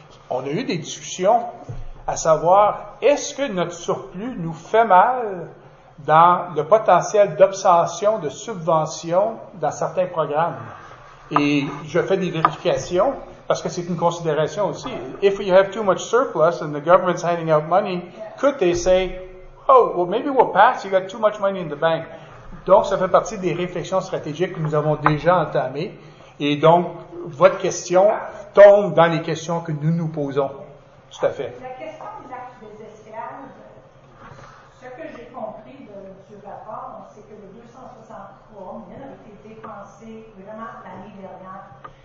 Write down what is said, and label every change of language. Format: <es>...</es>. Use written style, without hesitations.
<fr>On a eu des discussions à savoir, est-ce que notre surplus nous fait mal dans le potentiel d'obtention de subventions dans certains programmes? Et je fais des vérifications parce que c'est une considération aussi.</fr> <en>If you have too much surplus and the government's handing out money, could they say, oh, well, maybe we'll pass, you got too much money in the bank.</en> <fr>Donc, ça fait partie des réflexions stratégiques que nous avons déjà entamées. Et donc, votre question tombe dans les questions que nous nous posons. Tout à fait. La question de l'acte des esclaves, ce que j'ai compris du rapport, c'est que le 263 000 a été dépensé vraiment l'année dernière.</fr>